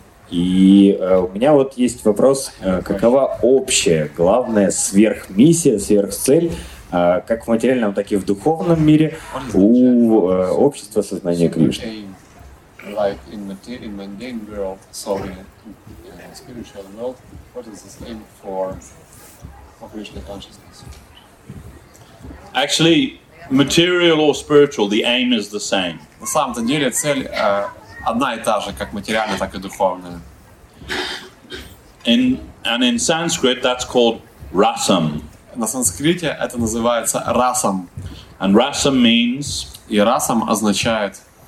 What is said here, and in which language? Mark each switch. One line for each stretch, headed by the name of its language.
Russian: И у меня вот есть вопрос, какова общая, главная сверхмиссия, сверхцель, как в материальном, так и в духовном мире у общества сознания Кришны?
English: like in material, mundane world, so in the spiritual world, what is the aim for operational consciousness? Actually, material or spiritual, the aim is the same.
Russian: На самом-то деле цель одна и та же, как материальная, так и духовная.
English: And in Sanskrit, that's called rasam.
Russian: На санскрите это называется расам.
English: And rasam means...
Russian: И расам означает...